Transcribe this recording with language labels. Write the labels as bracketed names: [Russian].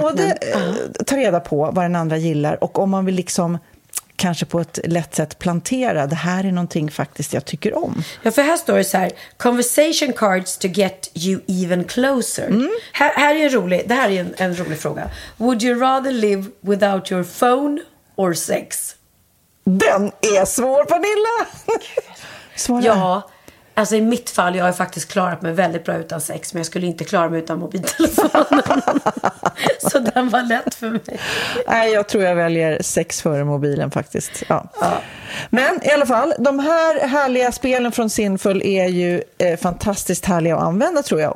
[Swedish] både ta reda på vad den andra gillar, och om man vill liksom kanske på ett lätt sätt plantera, det här är någonting faktiskt jag tycker om. Ja, för här står det så här, [English] conversation cards to get you even closer. [Swedish] Mm. Här är en rolig, det här är en rolig fråga. [English] Would you rather live without your phone or sex? [Swedish] Den är svår, Pernilla. Svåra. Ja. Alltså i mitt fall, jag har faktiskt klarat mig väldigt bra utan sex, men jag skulle inte klara mig utan mobiltelefonen. Så den var lätt för mig. Nej, jag tror jag väljer sex före mobilen faktiskt. Ja. Ja. Men i alla fall, de här härliga spelen från Sinful är ju fantastiskt härliga att använda, tror jag.